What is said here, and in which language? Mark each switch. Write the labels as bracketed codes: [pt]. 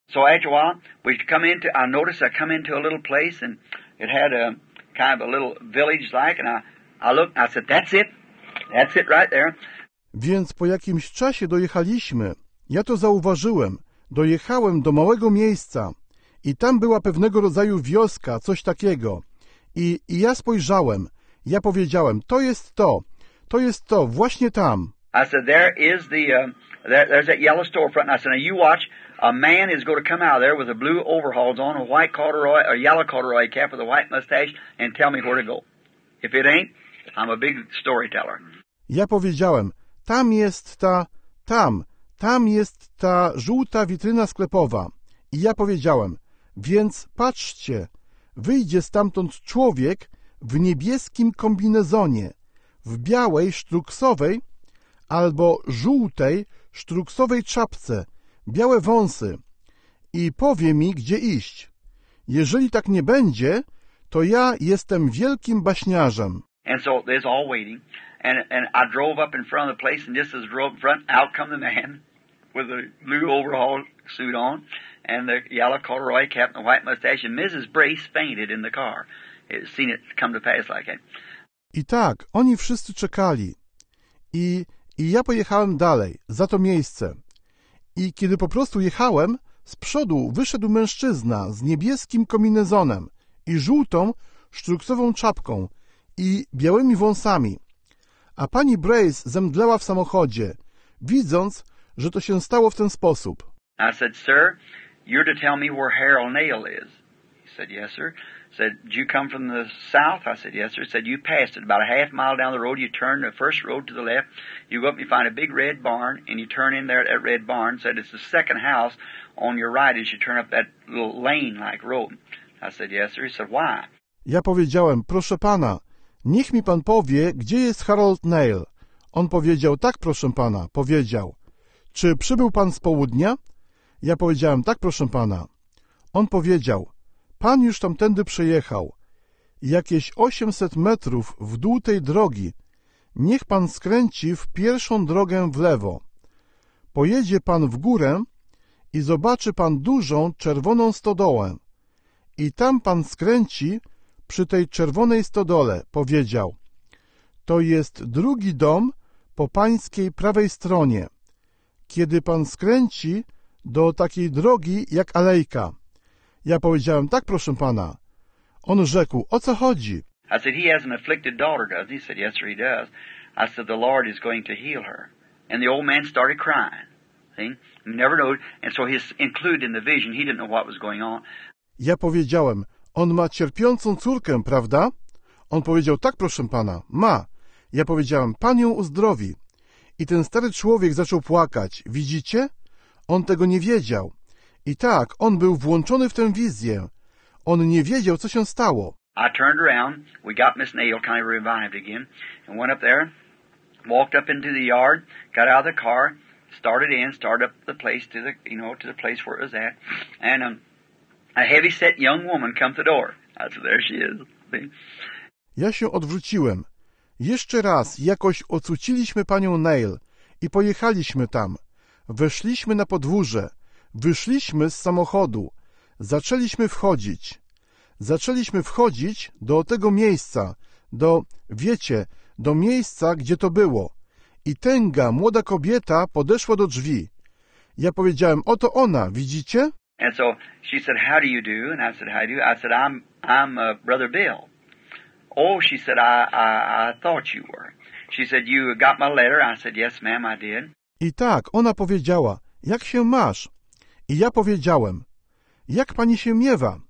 [en] So after a while, we come into, I noticed I come into a little place and it had a kind of a little village-like and I looked, I said, "That's it. That's it right there." [pl] Więc po jakimś czasie dojechaliśmy. Ja to zauważyłem. Dojechałem do małego miejsca. I tam była pewnego rodzaju wioska, coś takiego. I ja spojrzałem. Ja powiedziałem: "To jest to. To jest to, właśnie tam." [en] I said, "There is the, there's that yellow storefront." And I said, "Now you watch, a man is going to come out of there with a blue overalls on, a white corduroy, a yellow corduroy cap with a white mustache, and tell me where to go. If it ain't, I'm a big storyteller." [pl] Ja powiedziałem: "Tam jest ta, tam jest ta żółta witryna sklepowa." I ja powiedziałem: "Więc patrzcie, wyjdzie stamtąd człowiek w niebieskim kombinezonie, w białej sztruksowej albo żółtej sztruksowej czapce, białe wąsy i powie mi, gdzie iść. Jeżeli tak nie będzie, to ja jestem wielkim baśniarzem." [en] And so there's all waiting. And I drove up in front of the place, and just as I drove up in front, out come the man with a blue overall suit on and the yellow corduroy cap and the white mustache, and Mrs. Brace fainted in the car. It seen it come to pass like that. [pl] I tak, oni wszyscy czekali. I ja pojechałem dalej, za to miejsce. I kiedy po prostu jechałem, z przodu wyszedł mężczyzna z niebieskim kombinezonem i żółtą sztruksową czapką i białymi wąsami. A pani Brace zemdlała w samochodzie, widząc, że to się stało w ten sposób. [en] I said, "Sir, you're to tell me where Harold Nail is." He said, "Yes, sir." I said, "Do you come from the south?" I said, "Yes, sir." He said, "You passed it about a half mile down the road. You turn the first road to the left. You go up and you find a big red barn, and you turn in there at that red barn." He said, "It's the second house on your right as you turn up that little lane-like road." I said, "Yes, sir." He said, "Why?" [pl] Ja powiedziałem: "Proszę pana, niech mi pan powie, gdzie jest Harold Nail." On powiedział: "Tak, proszę pana." Powiedział: "Czy przybył pan z południa?" Ja powiedziałem: "Tak, proszę pana." On powiedział: "Pan już tamtędy przejechał. Jakieś 800 metrów w dół tej drogi. Niech pan skręci w pierwszą drogę w lewo. Pojedzie pan w górę i zobaczy pan dużą czerwoną stodołę. I tam pan skręci przy tej czerwonej stodole." Powiedział: "To jest drugi dom po pańskiej prawej stronie. Kiedy pan skręci do takiej drogi jak alejka." Ja powiedziałem: "Tak, proszę pana." On rzekł: "O co chodzi?" [en] I said, "He has an afflicted daughter, doesn't he?" He said, "Yes, sir, he does." I said, "The Lord is going to heal her." And the old man started crying. See? Never knew. And so he's included in the vision. He didn't know what was going on. [pl] Ja powiedziałem: "On ma cierpiącą córkę, prawda?" On powiedział: "Tak, proszę pana, ma." Ja powiedziałem: "Pan ją uzdrowi." I ten stary człowiek zaczął płakać. Widzicie? On tego nie wiedział. I tak, on był włączony w tę wizję. On nie wiedział, co się stało. [en] I turned around. We got Miss Neal kind of revived again. And went up there, walked up into the yard, got out of the car, started in, started up the place to the, you know, to the place where it was at. And a heavy-set young woman came to the door. I said, there she is. [pl] Ja się odwróciłem. Jeszcze raz jakoś ocuciliśmy panią Neal i pojechaliśmy tam. Weszliśmy na podwórze. Wyszliśmy z samochodu. Zaczęliśmy wchodzić. Zaczęliśmy wchodzić do tego miejsca, do, wiecie, do miejsca, gdzie to było. I tęga, młoda kobieta podeszła do drzwi. Ja powiedziałem, oto ona, widzicie? [en] And so she said, how do you do? And I said, how do you do? I said, I'm Brother Bill. Oh, she said, I thought you were. She said, you got my letter? I said, yes, ma'am, I did. [pl] I tak, ona powiedziała, jak się masz? I ja powiedziałem, jak pani się miewa?